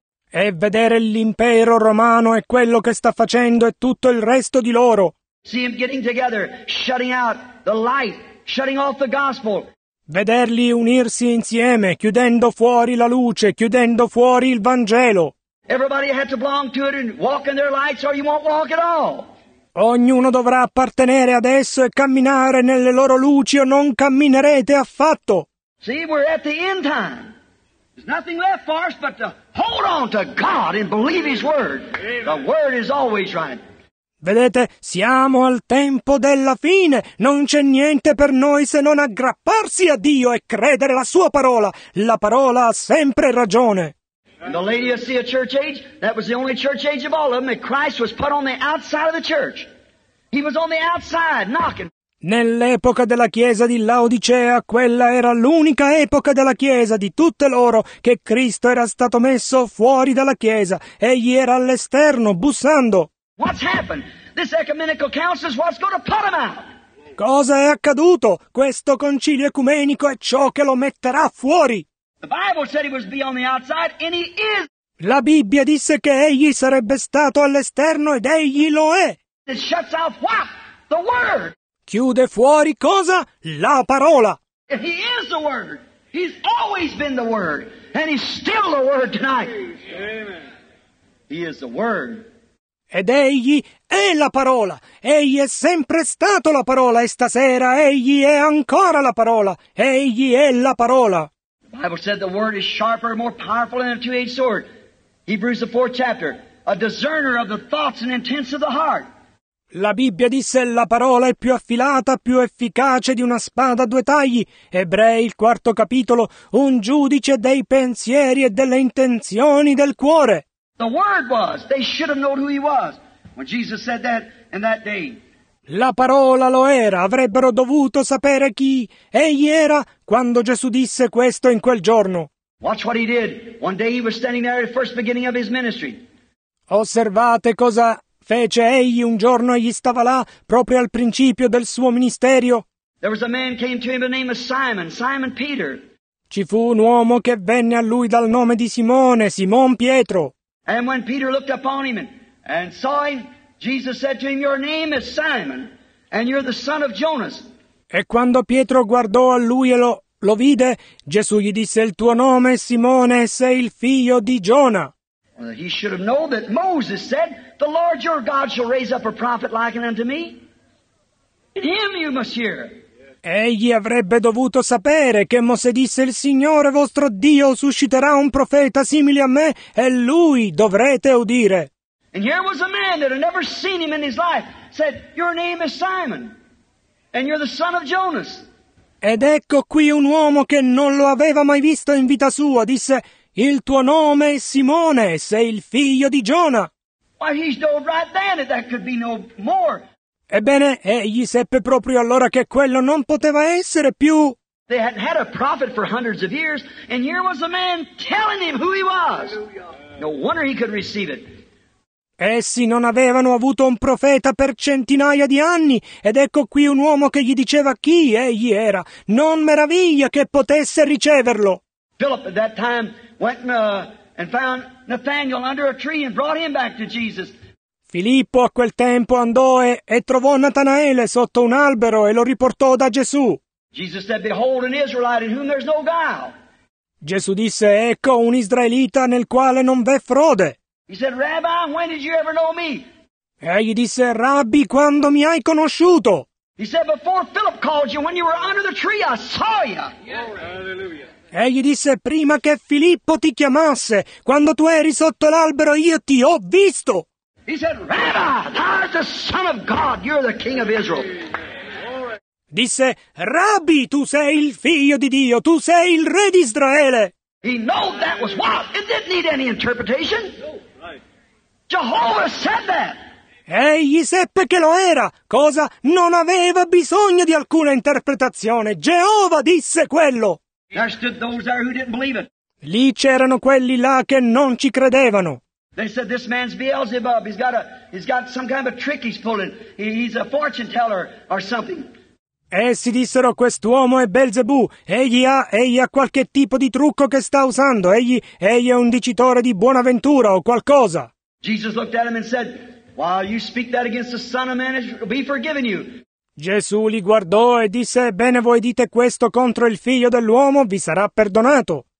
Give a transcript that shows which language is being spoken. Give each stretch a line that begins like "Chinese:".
Italian: E vedere l'impero romano e quello che sta facendo e tutto il resto di loro.
English: See them getting together, shutting out the light, shutting off the gospel.
Italian: Vederli unirsi insieme, chiudendo fuori la luce, chiudendo fuori il Vangelo.
English: Everybody had to belong to it and walk in their lights or you won't walk at all.
Italian: Ognuno dovrà appartenere ad esso e camminare nelle loro luci o non camminerete affatto.
English: See, we're at the end time. There's nothing left for us but to hold on to God and believe his word. Amen. The word is always right. Amen.
Italian: Vedete, siamo al tempo della fine. Non c'è niente per noi se non aggrapparsi a Dio e credere alla sua parola. La parola ha sempre ragione.
English: The Laodicea church age, that was the only church age of all of them, that Christ was put on the outside of the church. He was on the outside knocking.
Italian: Nell'epoca della chiesa di Laodicea, quella era l'unica epoca della chiesa di tutte loro che Cristo era stato messo fuori dalla chiesa. Egli era all'esterno, bussando.
English: What's happened? This ecumenical council is what's going to put him out.
Italian: Cosa è accaduto? Questo concilio ecumenico è ciò che lo metterà fuori.
English: The Bible said he was to be on the outside, and he is.
Italian: La Bibbia disse che egli sarebbe stato all'esterno ed egli lo è.
English: It shuts off what? The word.
Italian: Chiude fuori cosa? La parola.
English: He is the word. He's always been the word, and he's still the word tonight. Amen. He is the word.
Italian: Ed egli è la parola. Egli è sempre stato la parola e stasera egli è ancora la parola. Egli è la parola.
English: The Bible said the word is sharper and more powerful than a two-edged sword. Hebrews the fourth chapter, a discerner of the thoughts and intents of the heart.
Italian: La Bibbia disse la parola è più affilata, più efficace di una spada a due tagli. Ebrei il quarto capitolo, un giudice dei pensieri e delle intenzioni del cuore.
English: The word was, they should have known who he was when Jesus said that in that day.
Italian: La parola lo era, avrebbero dovuto sapere chi egli era quando Gesù disse questo in quel giorno.
English: Watch what he did. One day he was standing there at the first beginning of his ministry.
Italian: Osservate cosa fece egli un giorno, egli stava là proprio al principio del suo ministerio.
English: There was a man came to him by the name of Simon Peter.
Italian: Ci fu un uomo che venne a lui dal nome di Simone, Simon Pietro.
English: And when Peter looked upon him and saw him, Jesus said to him, your name is Simon, and you're the son of Jonas.
Italian: E quando Pietro guardò a lui e lo vide, Gesù gli disse, il tuo nome è Simone, sei il figlio di Giona.
English: Well, he should have known that Moses said, the Lord your God shall raise up a prophet like unto me. In him you must hear.
Italian: Egli avrebbe dovuto sapere che Mosè disse il Signore vostro Dio susciterà un profeta simile a me e lui dovrete udire.
English: And here was a man that had never seen him in his life said your name is Simon and you're the son of Jonas.
Italian: Ed ecco qui un uomo che non lo aveva mai visto in vita sua disse il tuo nome è Simone sei il figlio di Giona.
English: Why he knew right then that could be no more.
Italian: Ebbene, egli seppe proprio allora che quello non poteva essere più.
English: They hadn't had a prophet for hundreds of years, and here was a man telling him who he was. No wonder he could receive it.
Italian: Essi non avevano avuto un profeta per centinaia di anni, ed ecco qui un uomo che gli diceva chi egli era. Non meraviglia che potesse riceverlo.
English: Philip at that time went and found Nathanael under a tree and brought him back to Jesus.
Italian: Filippo a quel tempo andò e trovò Natanaele sotto un albero e lo riportò da Gesù.
English: Jesus said, "Behold, an Israelite in whom there's no guile."
Italian: Gesù disse, ecco un israelita nel quale non v'è frode.
English: He said, "Rabbi, when did you ever know me?"
Italian: E egli disse, Rabbi, quando mi hai conosciuto?
English: He said, "Before Philip called you, when you were under the tree, I saw you." Yeah. Hallelujah.
Italian: E egli disse, prima che Filippo ti chiamasse, quando tu eri sotto l'albero, io ti ho visto.
English: He said, "Rabbi, thou art the Son of God, you're the King of Israel."
Italian: Disse, "Rabbi, tu sei il figlio di Dio, tu sei il re di Israele."
English: He knew that was what? It didn't need any interpretation. Jehovah said that.
Italian: Egli seppe che lo era. Cosa? Non aveva bisogno di alcuna interpretazione. Jehovah disse quello.
English: There stood those there who didn't believe it.
Italian: Lì c'erano quelli là che non ci credevano.
English: They said, "This man's Beelzebub. He's got some kind of a trick he's pulling. He's a fortune teller or something."
Italian: Essi dissero, "Quest'uomo è Belzebù. Egli ha qualche tipo di trucco che sta usando. Egli è un dicitore di buona ventura o qualcosa."
English: Jesus looked at him and said, "While you speak that against the Son of Man, it'll be forgiven you."
Italian: Gesù li guardò e disse, "Bene, voi dite questo contro il figlio dell'uomo, vi sarà perdonato."